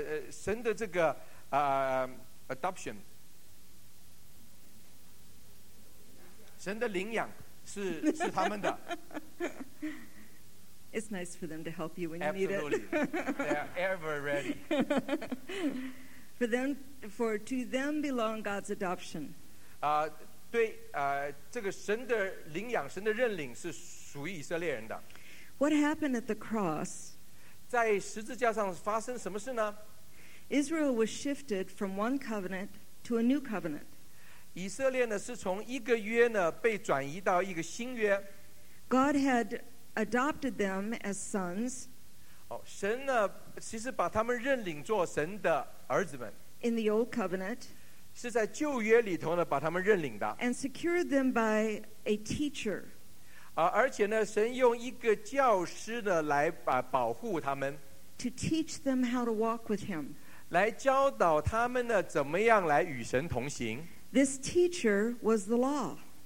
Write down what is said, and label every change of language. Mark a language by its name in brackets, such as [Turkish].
[Chinese] 神的这个adoption， 神的领养是他们的。 [English] It's nice for them to help you when you need it. Absolutely. They are ever ready. For to them belong God's adoption. [Chinese] 对，这个神的领养，神的认领是属于以色列人的。 [English] What happened at the cross? [Chinese] 在十字架上发生什么事呢？ [English] Israel was shifted from one covenant to a new covenant. [Chinese] 以色列呢，是从一个约呢，被转移到一个新约。 [English] God had adopted them as sons. [Chinese] 神呢，其实把他们认领作神的儿子们。 [English] In the old covenant, [Chinese] 是在旧约里头呢，把他们认领的。 [English] And secured them by a teacher. [Chinese] 而且呢，神用一个教师呢来保护他们。 [English] To teach them how to walk with him. [Chinese] 来教导他们呢，怎么样来与神同行。 [English] This teacher was the law.